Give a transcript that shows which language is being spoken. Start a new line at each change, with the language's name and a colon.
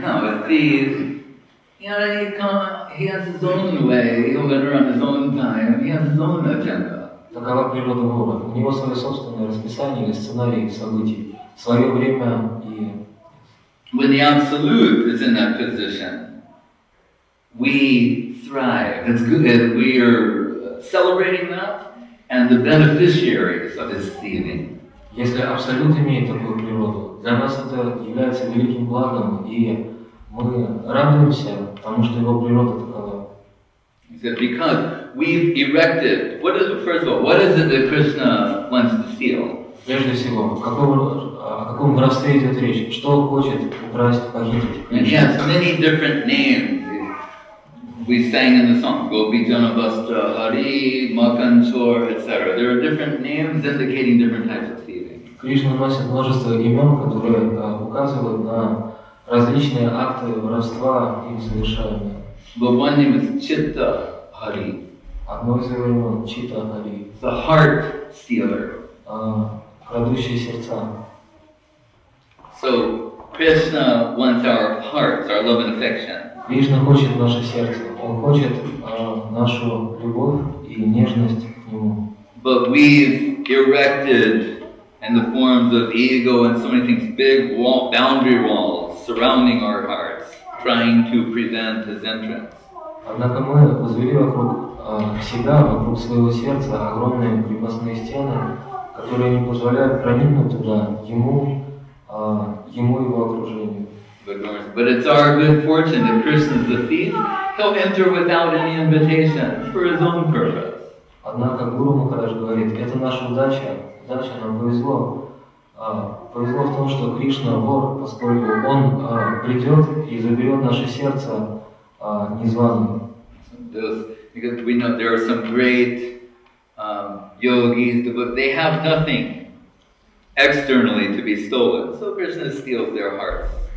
English: No, a thief, you know, he has his own way, he went around his own time, he has his own agenda.
Russian: Такова природа вора. У него свое собственное расписание или сценарий событий, свое время и...
English: When the absolute is in that position, we thrive. It's good that we are celebrating that. And the beneficiaries of his thieving.
Russian: Если абсолют имеет такую природу, для нас это является великим благом, и мы радуемся, потому что его природа такова.
English: He said, because we've erected. What is first of all? What is it that Krishna wants to steal?
Russian: Прежде всего, о каком воровстве идет речь? Что хочет украсть, похитить?
English: And he has many different names. We sang in the song, Gopi Janabhastra Hari, Makanchor, etc. There are different names indicating different types of thieving.
Russian: Кришна носит множество имен, которые указывают на различные акты воровства и совершаемые.
English: But one name is Chitta Hari.
Russian: Одно из его имен – Chitta Hari.
English: The heart stealer.
Russian: Крадущий сердца.
English: So, Krishna wants our hearts, our love and affection.
Russian: Кришна хочет наше сердце. Он хочет нашу любовь и нежность к нему.
English: But we've erected in the forms of ego and so many things big wall, boundary walls surrounding our hearts, trying to prevent his entrance.
Russian: Однако мы возвели вокруг себя, вокруг своего сердца огромные крепостные стены, которые не позволяют проникнуть туда ему и его окружению.
English: But it's our good fortune that Krishna is the thief. He'll enter without any invitation for his own purpose.
Russian: Однако Гуру Махарадж говорит, это наша удача. Удача нам повезло. Повезло в том, что Кришна вор, поскольку он придет и заберет наше сердце незваным.
English: Because we know there are some great yogis, but they have nothing externally to be stolen. So Krishna steals their hearts.